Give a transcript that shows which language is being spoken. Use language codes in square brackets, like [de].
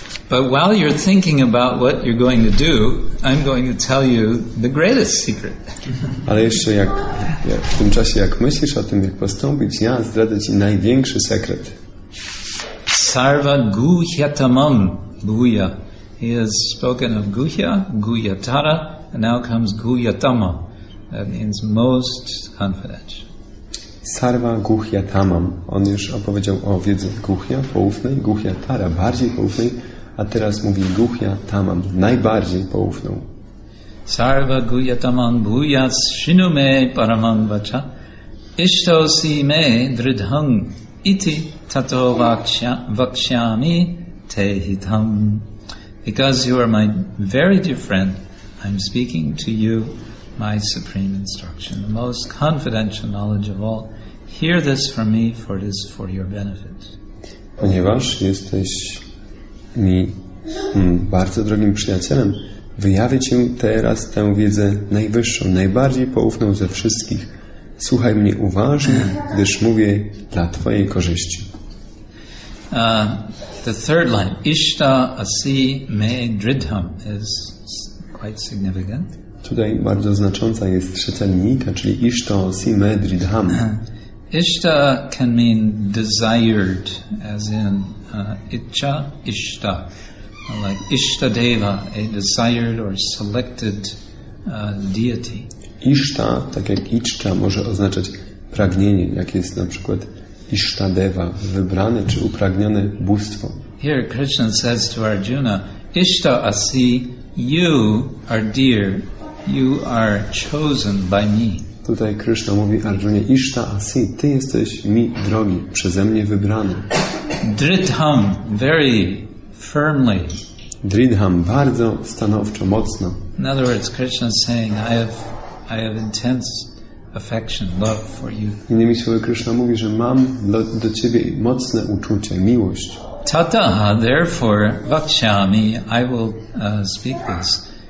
[en] But while you're thinking about what you're going to do, I'm going to tell you the greatest secret. [pl] Ale jeszcze jak w tym czasie, jak myślisz o tym, jak postąpić, ja zdradzę ci największy sekret. [sa] Sarva guhyatamam guhya. [en] He has spoken of guhya, guhyatara, and now comes guhyatama. That means most confidential. [sa] Sarva Guhya Tamam. [pl] On już opowiedział o wiedzy Guhya, poufnej, Guhya Tara, bardziej poufnej, a teraz mówi Guhya Tamam, najbardziej poufną. [sa] Sarva Guhya Tamam Bhuyas Shinume Paramam Vacha Ishto Si Me Dridhang Iti Tato Vakshyami Tehitam. [en] Because you are my very dear friend, I'm speaking to you my supreme instruction, the most confidential knowledge of all. Hear this from me, for it is for your benefit. [pl] Ponieważ jesteś mi bardzo drogim przyjacielem, wyjawię Ci teraz tę wiedzę najwyższą, najbardziej poufną ze wszystkich. Słuchaj mnie uważnie, gdyż mówię dla Twojej korzyści. [en] The third line, Ishta Asi Me Dridham, is quite significant. [pl] Tutaj bardzo znacząca jest trzecia linijka, czyli Ishto Si Me Dridham. [en] Ishta can mean desired, as in Icha Ishta. Like Ishta Deva, a desired or selected deity. [pl] Ishta, tak jak Icha, może oznaczać pragnienie, jak jest na przykład Ishta Deva, wybrane czy upragnione bóstwo. [en] Here Krishna says to Arjuna, Ishta Asi, you are dear. You are chosen by me. [pl] Tutaj Krishna mówi Arjunie, Ishta Asi, ty jesteś mi drogi, przeze mnie wybrany. [en] Dridham, very firmly. [pl] Dridham, bardzo stanowczo, mocno. [en] In other words, Krishna is saying, I have intense affection, love for you. [pl] Innymi słowy, Krishna mówi, że mam do ciebie mocne uczucie, miłość. [en] Tataha, therefore, vakshami, I will speak this.